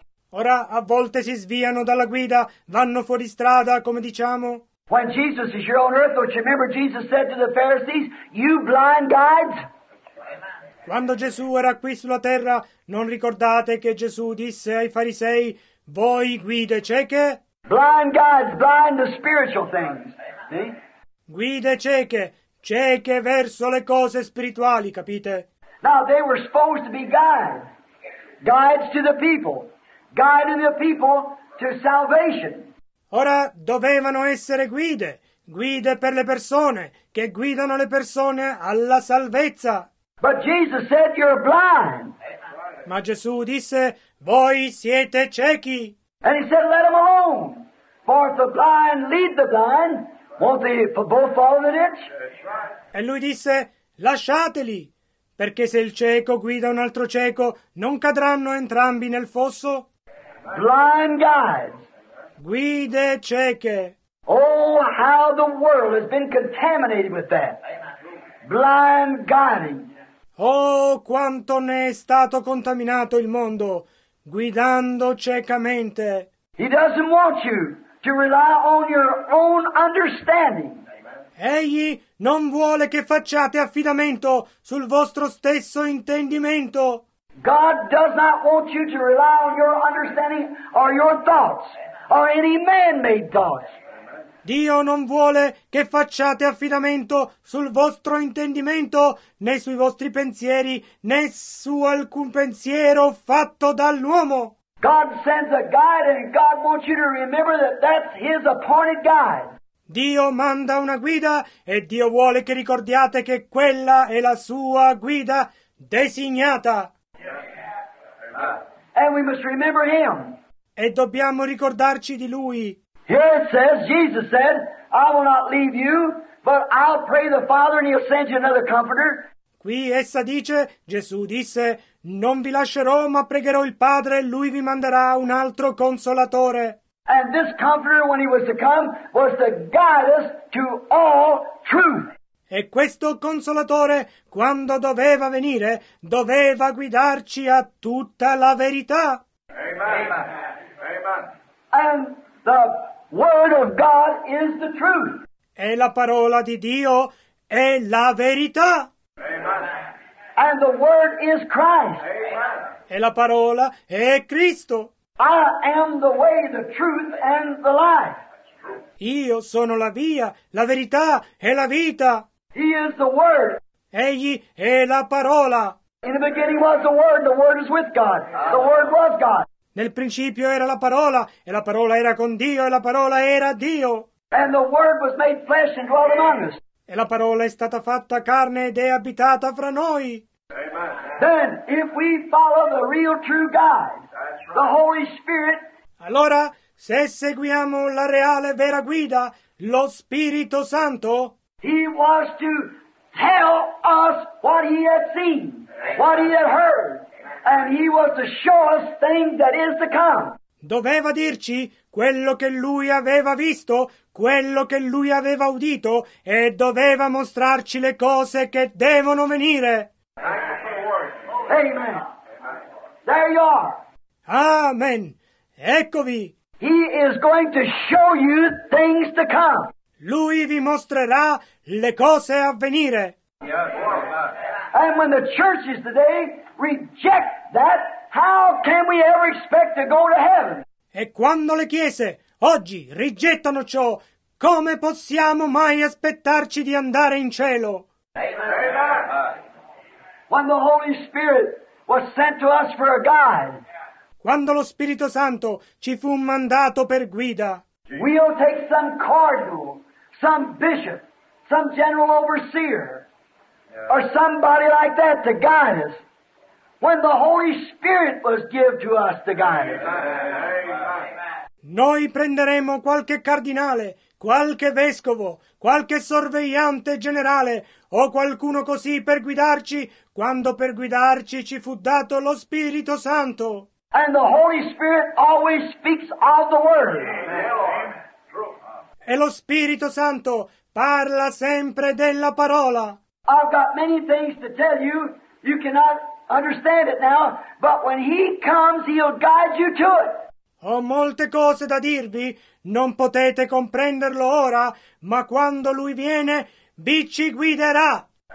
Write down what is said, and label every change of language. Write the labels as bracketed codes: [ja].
[it] Ora, a volte si sviano dalla guida, vanno fuori strada, come diciamo. [en] When Jesus is here on earth, don't you remember Jesus said to the Pharisees, "You blind guides"? [it] Quando Gesù era qui sulla terra, non ricordate che Gesù disse ai farisei, "Voi guide cieche"? [en] Blind guides, blind to spiritual things. See? [it] Guide cieche, cieche verso le cose spirituali, capite? [en] Now they were supposed to be guides, guides to the people, guiding the people to salvation. [it] Ora dovevano essere guide, guide per le persone, che guidano le persone alla salvezza. [en] But Jesus said, "You're blind." [it] Ma Gesù disse, voi siete ciechi. [en] And he said, "Let them alone. For if the blind lead the blind, won't they both fall in the ditch?" [it] E lui disse, lasciateli, perché se il cieco guida un altro cieco, non cadranno entrambi nel fosso? [en] Blind guides. [it] Guide cieche. [en] Oh, how the world has been contaminated with that. Blind guiding. [it] Oh, quanto ne è stato contaminato il mondo, guidando ciecamente. [en] He doesn't want you to rely on your own understanding. [it] Egli non vuole che facciate affidamento sul vostro stesso intendimento. [en] God does not want you to rely on your understanding or your thoughts. Or any man-made thoughts. [it] Dio non vuole che facciate affidamento sul vostro intendimento, né sui vostri pensieri, né su alcun pensiero fatto dall'uomo. [en] God sends a guide, and God wants you to remember that that's His appointed guide. [it] Dio manda una guida, e Dio vuole che ricordiate che quella è la sua guida designata. [en] And we must remember Him. [it] E dobbiamo ricordarci di Lui. [en] Here it says, Jesus said, "I will not leave you, but I'll pray the Father and He'll send you another Comforter." [it] Qui essa dice, Gesù disse, non vi lascerò, ma pregherò il Padre e Lui vi manderà un altro Consolatore. [en] And this Comforter, when He was to come, was to guide us to all truth. [it] E questo Consolatore, quando doveva venire, doveva guidarci a tutta la verità. [en] Amen. Amen. And the word of God is the truth. [it] E la parola di Dio è la verità. [en] Amen. And the word is Christ. Amen. [it] E la parola è Cristo. [en] I am the way, the truth, and the life. [it] Io sono la via, la verità e la vita. [en] He is the word. [it] Egli è la parola. [en] In the beginning was the word is with God. The word was God. [it] Nel principio era la parola, e la parola era con Dio, e la parola era Dio. [en] And the word was made flesh and dwelt among us. [it] E la parola è stata fatta carne ed è abitata fra noi. [en] Amen. Then, if we follow the real true guide, the Holy Spirit, [it] allora, se seguiamo la reale vera guida, lo Spirito Santo, [en] He was to tell us what He had seen, what He had heard. And He was to show us things that is to come. [it] Doveva dirci quello che Lui aveva visto, quello che Lui aveva udito, e doveva mostrarci le cose che devono venire. [en] Amen. There you are. [it] Amen. Eccovi. [en] He is going to show you things to come. [it] Lui vi mostrerà le cose a venire. [en] And when the church is today reject that, how can we ever expect to go to heaven? [it] E quando le chiese oggi rigettano ciò, come possiamo mai aspettarci di andare in cielo? [en] Amen. When the Holy Spirit was sent to us for a guide, [it] quando lo Spirito Santo ci fu mandato per guida, [en] we'll take some cardinal, some bishop, some general overseer, or somebody like that to guide us. When the Holy Spirit was given to us to guide. Amen. [it] Noi prenderemo qualche cardinale, qualche vescovo, qualche sorvegliante generale o qualcuno così per guidarci, quando per guidarci ci fu dato lo Spirito Santo. [en] And the Holy Spirit always speaks of the Word. Amen. [it] e lo Spirito Santo parla sempre della parola. [en] I've got many things to tell you. You cannot understand it now, but when he comes, he'll guide you to it. [it] Ho molte cose da dirvi, non potete comprenderlo ora, ma quando lui viene, vi ci guiderà.